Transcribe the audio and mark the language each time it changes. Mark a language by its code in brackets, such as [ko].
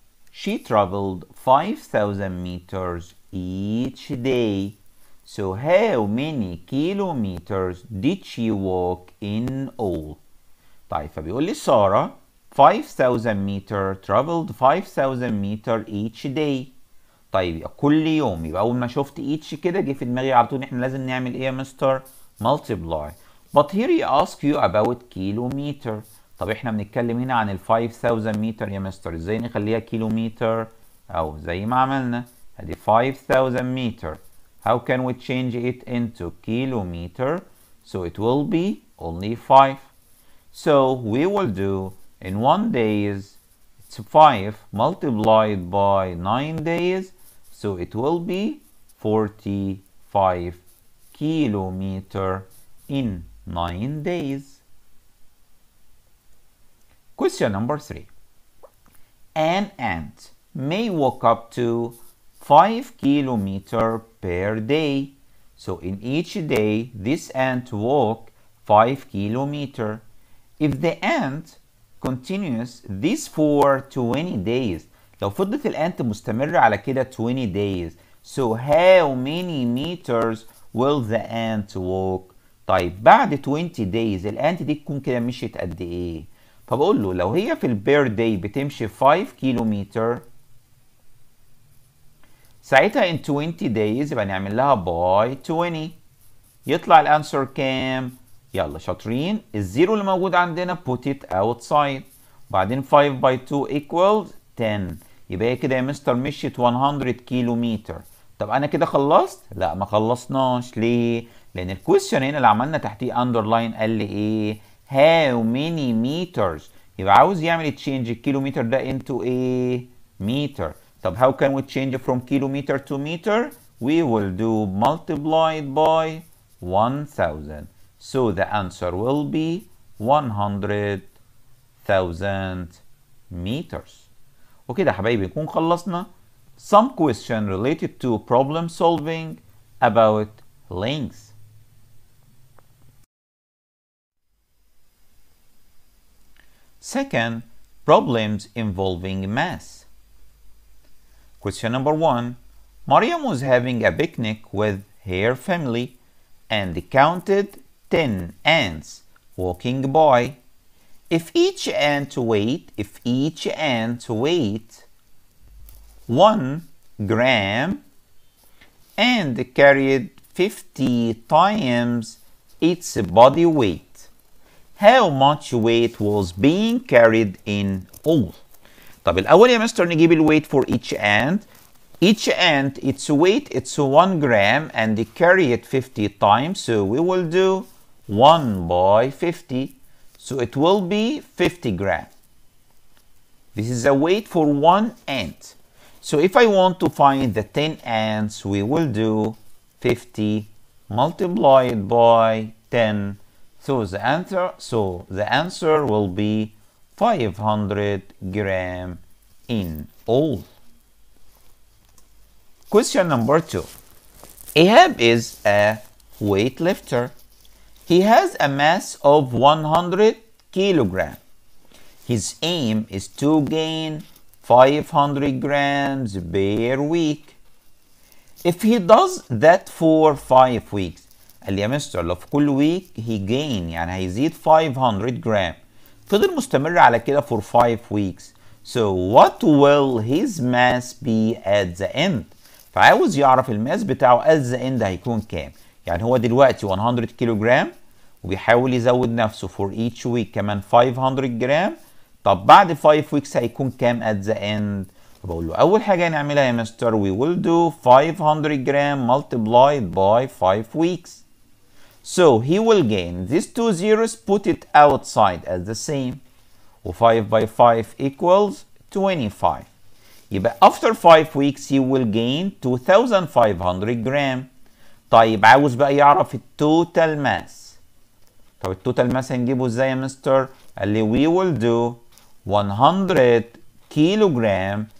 [en] She traveled 5,000 meters each day. So how many kilometers did she walk in all? [ar] طيب فبيقول لي Sarah [en] 5,000 meter traveled 5,000 meter each day. [ar] طيب كل يوم، يبقى اول ما شفت each كده جه في دماغي على طول احنا لازم نعمل ايه يا مستر؟ Multiply. [en] But here he asks you about kilometer. [ar] طب احنا بنتكلم هنا عن ال 5000 meter يا مستر، ازاي نخليها كيلومتر؟ او زي ما عملنا ادي 5000 meter. [en] How can we change it into kilometer? So it will be only 5. So we will do in 1 day, it's 5 multiplied by 9 days. So it will be 45. Kilometer in 9 days. Question number 3. An ant may walk up to 5 kilometer per day. So in each day, this ant walk 5 kilometer. If the ant continues this for 20 days, [ar] لو فضلت الانت مستمرة على كده [en] 20 days, so how many meters will the ant walk? [ar] طيب بعد 20 days الانت دي تكون كده مشيت قد ايه؟ فبقول له لو هي في البير داي بتمشي 5 كيلومتر ساعتها [en] in 20 days [ar] يبقى نعمل لها باي 20 يطلع الانسر كام؟ يلا شاطرين الزيرو اللي موجود عندنا [en] put it outside [ar] بعدين [en] 5 by 2 equals 10 [ar] يبقى كده يا مستر مشيت 100 كيلومتر. طب انا كده خلصت؟ لا ما خلصناش. ليه؟ لان الكويشن هنا اللي عملنا تحتيه اندرلاين قال لي ايه؟ [en] how many meters, [ar] يبقى عاوز يعمل تشينج الكيلومتر ده انتو ايه؟ ميتر. [en] طب how can we change from kilometer to meter? We will do multiplied by 1000. So the answer will be 100,000 meters. [ar] وكده حبايبي نكون خلصنا. [en] Some question related to problem solving about length. Second, problems involving math. Question number one. Mariam was having a picnic with her family and counted 10 ants walking by. If each ant weighed 1 gram and carried 50 times its body weight, how much weight was being carried in all? [ar] طب الأول يا مستر نجيب ال [en] weight for each ant. Each ant, its weight, it's 1 gram and they carry it 50 times. So we will do 1 by 50. So it will be 50 gram. This is a weight for one ant. So if I want to find the 10 ants, we will do 50 multiplied by 10. So the answer will be 500 gram in all. Question number two. Ahab is a weightlifter. He has a mass of 100 kilograms. His aim is to gain 500 grams per week. If he does that for 5 weeks, [ar] قال يا مستر لو في كل [en] week he gain [ar] يعني هيزيد [en] 500 gram. [ar] فضل مستمر على كده [en] for 5 weeks. So what will his mass be at the end? [ar] فعاوز يعرف الماس بتاعه از اند هيكون كام. يعني هو دلوقتي 100 كيلوغرام وبيحاول يزود نفسه [en] for each week [ar] كمان 500 جرام. طب بعد 5 weeks هيكون كام [en] at the end؟ [ar] بقول له اول حاجه هنعملها يا مستر [en] we will do [ar] 500 جرام [en] multiplied by 5 weeks. So he will gain these two zeros, put it outside as the same. و5 by 5 equals 25. [ar] يبقى [en] after 5 weeks he will gain 2500 gram. [ar] طيب عاوز بقى يعرف التوتال ماس. طب التوتال ماس هنجيبه ازاي يا مستر؟ قال لي [en] we will do 100 kilogram.